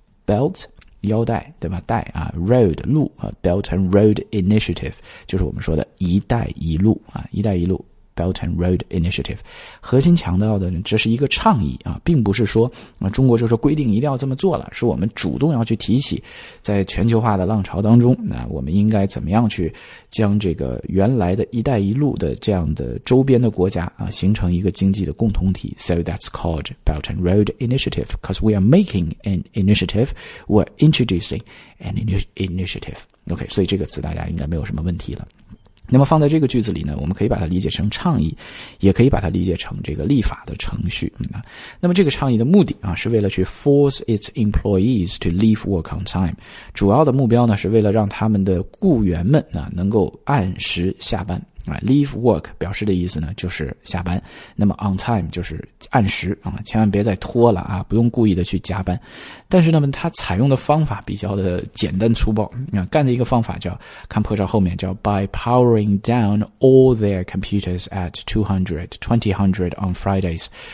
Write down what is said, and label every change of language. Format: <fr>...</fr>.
<zh>Belt腰带对吧，带啊 road 路啊 Belt and Road Initiative, 就是我们说的一带一路啊，一带一路 Belt and Road Initiative, 核心强调的这是一个倡议啊，并不是说、中国就是规定一定要这么做了，是我们主动要去提起在全球化的浪潮当中，那我们应该怎么样去将这个原来的一带一路的这样的周边的国家啊形成一个经济的共同体。</zh> <en>So that's called Belt and Road Initiative, because we are making an initiative, we're introducing an initiative.</en> <zh>OK, 所以这个词大家应该没有什么问题了。那么放在这个句子里呢，我们可以把它理解成倡议，也可以把它理解成这个立法的程序。那么这个倡议的目的啊，是为了去</zh> <en>force its employees to leave work on time。</en> <zh>主要的目标呢，是为了让他们的雇员们啊，能够按时下班。 Leave work 表示的意思呢就是下班，那么 on time 就是按时啊，千万别再拖了啊，不用故意的去加班。但是呢它采用的方法比较的简单粗暴啊，干的一个方法叫，看破照后面叫</zh> <en>by powering down all their computers at 200 on Fridays。</en>